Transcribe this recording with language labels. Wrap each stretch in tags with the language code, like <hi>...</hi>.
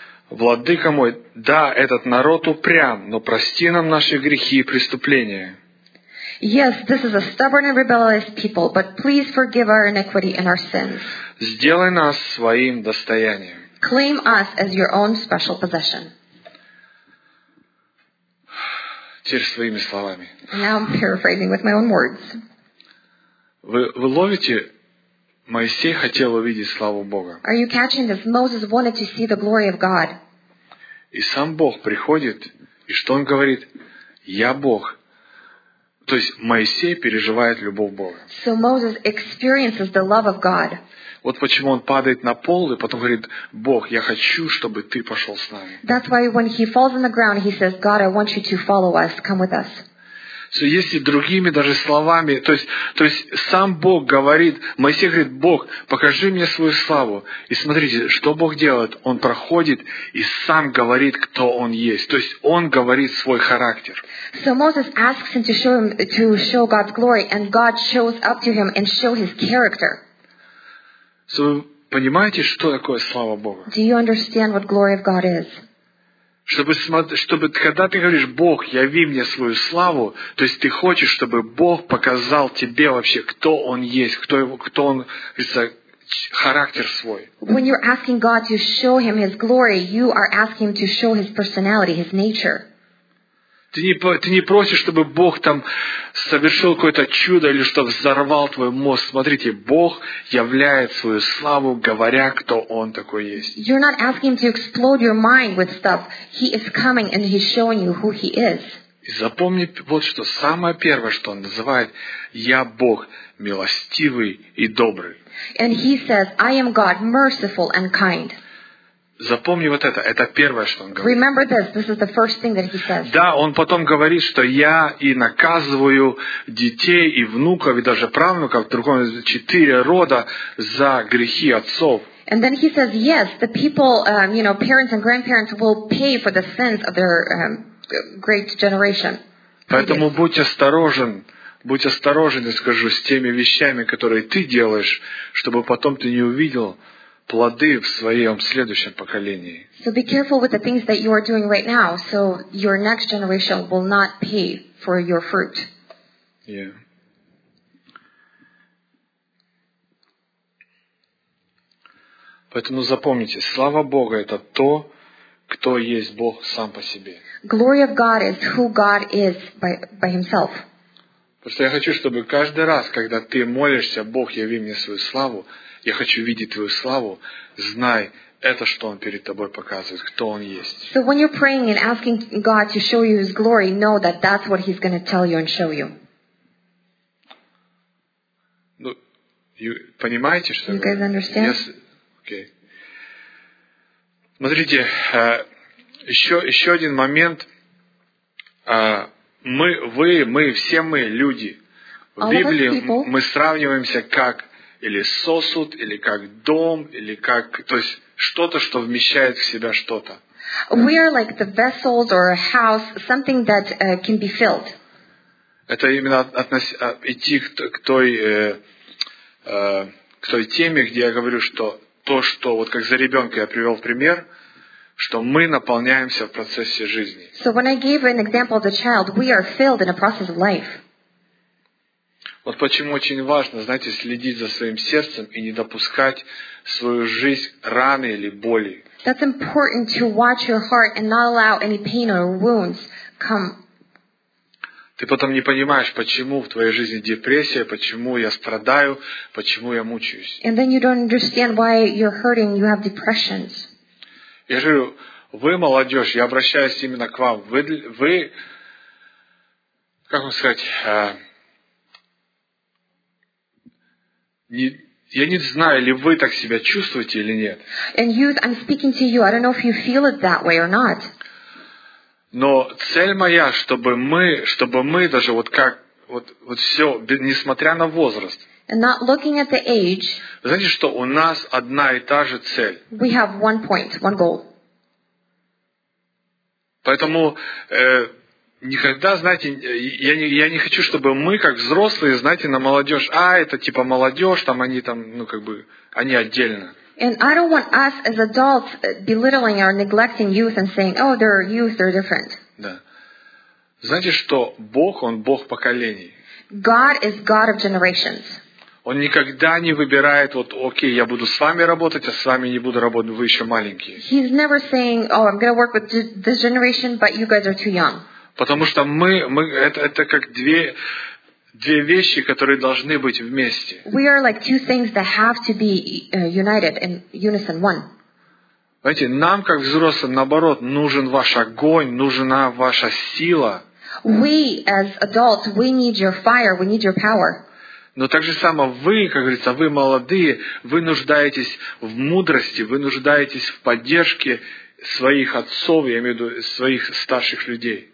<ru>Владыка мой, да, этот народ упрям, но прости нам наши грехи и преступления.</ru> <en>Yes, this is a stubborn and rebellious people, but please forgive our iniquity and our sins.</en> <ru>Сделай нас своим достоянием.</ru> <en>Claim us as your own special possession.</en> <ru>Теперь своими словами.</ru> <en>Now I'm paraphrasing with my own words.</en> <ru>Вы ловите? Моисей хотел увидеть славу Бога.</ru> <en>Are you catching this? Moses wanted to see the glory of God.</en> <ru>И сам Бог приходит, и что он говорит? Я Бог. То есть Моисей переживает любовь Бога.</ru> <en>So Moses experiences the love of God.</en> <ru>Вот почему он падает на пол и потом говорит: «Бог, я хочу, чтобы ты пошел с нами».</ru> <en>That's why when he falls on the ground, he says, God, I want you to follow us, come with us. So,</en> <ru>если другими даже словами, то есть сам Бог говорит, Моисей говорит: «Бог, покажи мне свою славу». И смотрите, что Бог делает. Он проходит и сам говорит, кто он есть. То есть он говорит свой характер.</ru> <en>So Moses asks him to show God's glory, and God shows up to him and show his character. So,</en> <ru>вы понимаете, что такое слава Бога?</ru> <en>Do you understand what glory of God is?</en> <ru>Чтобы когда ты говоришь: «Бог, яви мне свою славу», то есть ты хочешь, чтобы Бог показал тебе вообще, кто он есть, кто он, это характер свой.</ru> <en>When you're asking God to show him his glory, you are asking him to show his personality, his nature.</en> <ru>Ты не просишь, чтобы Бог там совершил какое-то чудо или что взорвал твой мозг. Смотрите, Бог являет свою славу, говоря, кто он такой есть.</ru> <en>You're not asking him to explode your mind with stuff. He is coming and he's showing you who he is.</en> <ru>И запомни вот что. Самое первое, что он называет: «Я Бог милостивый и добрый».</ru> <en>And he says, I am God, merciful and kind.</en> <ru>Запомни вот это. Это первое, что он говорит.</ru> <en>Remember this. This is the first thing that he says.</en> <ru>Да, он потом говорит, что я и наказываю детей и внуков, и даже правнуков, в другом языке, четыре рода за грехи отцов.</ru> <en>And then he says, yes, the people, parents and grandparents will pay for the sins of their great generation.</en> <ru>Поэтому будь осторожен, я скажу, с теми вещами, которые ты делаешь, чтобы потом ты не увидел плоды в своем следующем поколении.</ru> <en>So be careful with the things that you are doing right now, so your next generation will not pay for your fruit. Yeah.</en> <ru>Поэтому запомните, слава Бога – это то, кто есть Бог сам по себе.</ru> <en>Glory of God is who God is by himself.</en> <ru>Просто я хочу, чтобы каждый раз, когда ты молишься: «Бог, яви мне свою славу», я хочу видеть твою славу. Знай, это что он перед тобой показывает, кто он есть.</ru> <en>So when you're praying and asking God to show you his glory, know that that's what he's going to tell you and show you.</en> <ru>Ну, понимаете, что?</ru> <en>You guys understand? Yes. Okay.</en> <ru>Смотрите, еще один момент. Мы люди.</ru> <en>All</en> <ru>в Библии мы сравниваемся как или сосуд, или как дом, или как, то есть что-то, что вмещает в себя что-то.</ru> <en>We are like the vessels or a house, something that can be filled.</en> <ru>Это именно идти к той теме, где я говорю, что то, что вот как за ребенка я привел пример, что мы наполняемся в процессе жизни.</ru> <en>So when I gave an example of the child, we are filled in a process of life.</en> <ru>Вот почему очень важно, знаете, следить за своим сердцем и не допускать в свою жизнь раны или боли.</ru> <en>That's important to watch your heart and not allow any pain or wounds come.</en> <ru>Ты потом не понимаешь, почему в твоей жизни депрессия, почему я страдаю, почему я мучаюсь.</ru> <en>And then you don't understand why you're hurting, you have depressions.</en> <ru>Я говорю, вы, молодежь, я обращаюсь именно к вам. Вы как вам сказать, я не знаю, ли вы так себя чувствуете или нет.</ru> <en>And youth, I'm speaking to you. I don't know if you feel it that way or not.</en> <ru>Но цель моя, чтобы мы даже вот как вот все, несмотря на возраст.</ru> <en>And not looking at the age.</en> <ru>Знаете, что у нас одна и та же цель.</ru> <en>We have one point, one goal.</en> <ru>Поэтому никогда, знаете, я не хочу, чтобы мы, как взрослые, знаете, на молодежь, это типа молодежь, там они там, ну как бы, они отдельно.</ru> <en>And I don't want us as adults belittling or neglecting youth and saying, oh, they're youth, they're different.</en> <ru>Да. Знаете, что Бог, он Бог поколений.</ru> <en>God is God of generations.</en> <ru>Он никогда не выбирает, вот, окей, я буду с вами работать, а с вами не буду работать, вы еще маленькие.</ru> <en>He's never saying, oh, I'm going to work with this generation, but you guys are too young.</en> <ru>Потому что это как две вещи, которые должны быть вместе.</ru> <en>We are like two things that have to be united in unison, one.</en> <ru>Знаете, нам, как взрослым, наоборот, нужен ваш огонь, нужна ваша сила.</ru> <en>We as adults, we need your fire, we need your power.</en> <ru>Но так же само вы, как говорится, вы молодые, вы нуждаетесь в мудрости, вы нуждаетесь в поддержке своих отцов, я имею в виду своих старших людей.</ru>